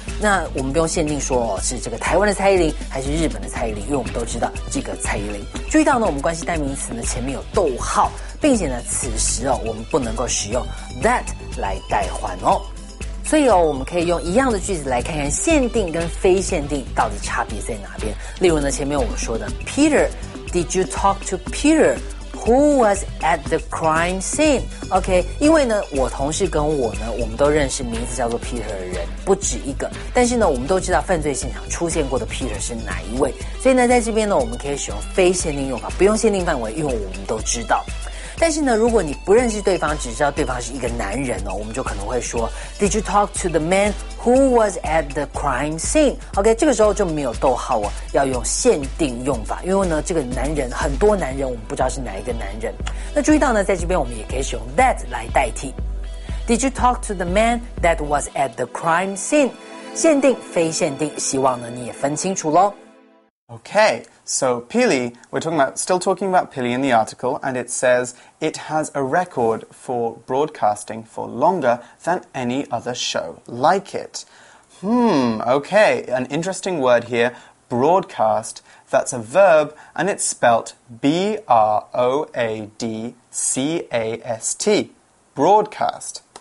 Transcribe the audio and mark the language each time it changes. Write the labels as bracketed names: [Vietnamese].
[Chinese] 那我们不用限定说是这个台湾的蔡依林还是日本的蔡依林，因为我们都知道这个蔡依林。注意到呢，我们关系代名词呢前面有逗号，并且呢，此时哦，我们不能够使用 that 来代换哦。所以哦，我们可以用一样的句子来看看限定跟非限定到底差别在哪边。例如呢，前面我们说的 [English] Peter, did you talk to Peter who was at the crime scene? [Chinese] OK, 因为呢，我同事跟我呢，我们都认识名字叫做 Peter 的人不止一个，但是呢，我们都知道犯罪现场出现过的 Peter 是哪一位。所以呢，在这边呢，我们可以使用非限定用法，不用限定范围，因为我们都知道。但是呢，如果你不认识对方，只知道对方是一个男人哦，我们就可能会说 [English] Did you talk to the man who was at the crime scene? [Chinese] OK, 这个时候就没有逗号哦，要用限定用法，因为呢，这个男人很多男人，我们不知道是哪一个男人。那注意到呢，在这边我们也可以使用 that 来代替。 [English] Did you talk to the man that was at the crime scene? [Chinese] 限定非限定，希望呢你也分清楚咯。 [English] OK, so Pili, we're still talking about Pili in the article, and it says it has a record for broadcasting for longer than any other show like it. OK, an interesting word here, broadcast, that's a verb, and it's spelt B-R-O-A-D-C-A-S-T, broadcast.